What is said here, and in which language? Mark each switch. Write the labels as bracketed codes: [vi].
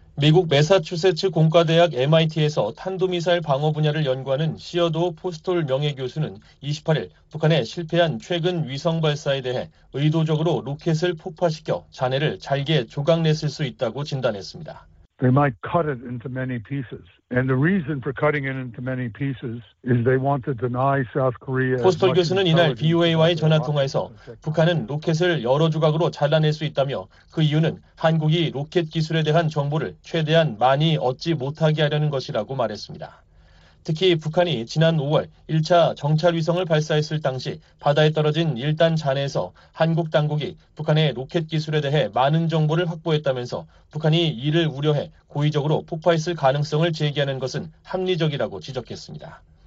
[ko] 미국 매사추세츠 공과대학 MIT에서 탄도미사일 방어 분야를 연구하는 시어도 포스톨 명예 교수는 28일 북한의 실패한 최근 위성 발사에 대해 의도적으로 로켓을 폭파시켜 잔해를 잘게 조각냈을 수 있다고 진단했습니다. [en] They might cut it into many pieces. And the reason for cutting it into many pieces is they want to deny South Korea. [ko] 포스톨 교수는 이날 VOA와의 전화 통화에서 북한은 로켓을 여러 조각으로 잘라낼 수 있다며 그 이유는 한국이 로켓 기술에 대한 정보를 최대한 많이 얻지 못하게 하려는 것이라고 말했습니다. 특히 북한이 지난 5월 1차 정찰위성을 발사했을 당시 바다에 떨어진 1단 잔해에서 한국 당국이 북한의 로켓 기술에 대해 많은 정보를 확보했다면서 북한이 이를 우려해 고의적으로 폭파했을 가능성을 제기하는 것은 합리적이라고 지적했습니다.